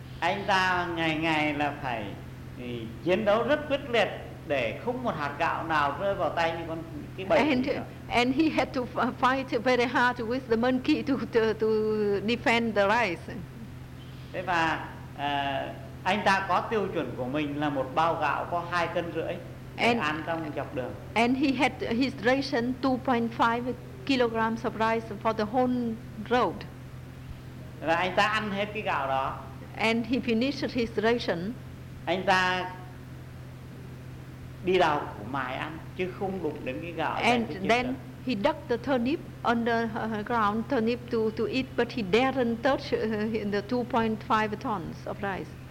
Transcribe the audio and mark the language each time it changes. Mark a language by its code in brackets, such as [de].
[vi] Anh ta ngày ngày là phải chiến đấu rất quyết liệt để không một hạt gạo nào rơi vào tay những con cái bầy. [en] And he had to fight very hard with the monkey to defend the rice. [vi] Thế và Anh ta có tiêu chuẩn của mình là một bao gạo có 2 cân rưỡi để ăn trong dọc đường. [en] And he had his ration 2.5 kilograms of rice for the whole road. [vi] Và anh ta ăn hết cái gạo đó. [en] And he finished his ration. [vi] Anh ta đi đào củ mài ăn chứ không đụng đến cái gạo. [en] And then he dug the turnip under ground turnip to eat, but he daren't touch the 2.5 tons of rice.